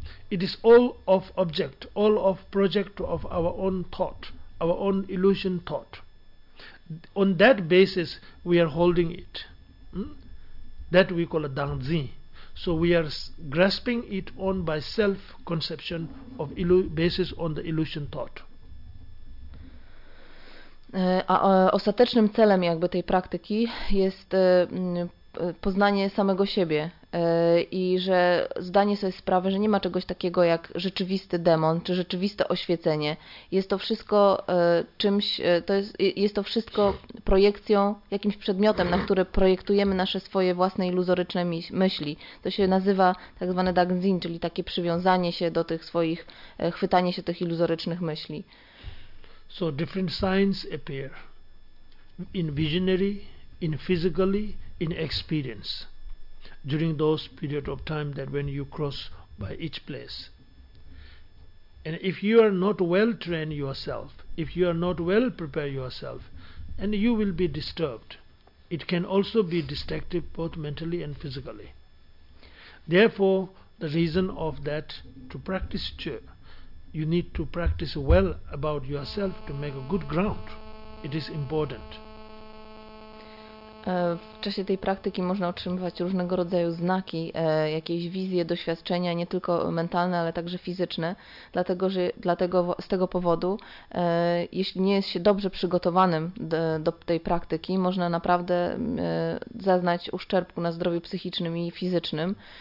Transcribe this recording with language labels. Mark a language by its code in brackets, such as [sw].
[en] It is all of object, all of project of our own thought, our own illusion thought. On that basis we are holding it. That we call a dangzi. So we are grasping it on by self-conception of basis on the illusion thought. [pl] A ostatecznym celem jakby tej praktyki jest poznanie samego siebie i że zdanie sobie sprawę, że nie ma czegoś takiego jak rzeczywisty demon czy rzeczywiste oświecenie. Jest to wszystko czymś, jest to wszystko projekcją, jakimś przedmiotem, na który projektujemy nasze swoje własne iluzoryczne myśli. To się nazywa tak zwane dangzin, czyli takie przywiązanie się do tych swoich, chwytanie się tych iluzorycznych myśli. [en] So different signs appear in visionary, in physically, in experience during those period of time that when you cross by each place. And if you are not well trained yourself, if you are not well prepared yourself, and you will be disturbed. It can also be destructive both mentally and physically. Therefore, the reason of that to practice chur. You need to practice well about yourself to make a good ground. It is important. [pl] W czasie tej praktyki można otrzymywać różnego rodzaju znaki, jakieś wizje, doświadczenia, nie tylko mentalne, ale także fizyczne. Dlatego z tego powodu, jeśli nie jest się dobrze przygotowanym do tej praktyki, można naprawdę zaznać uszczerbku na zdrowiu psychicznym i fizycznym.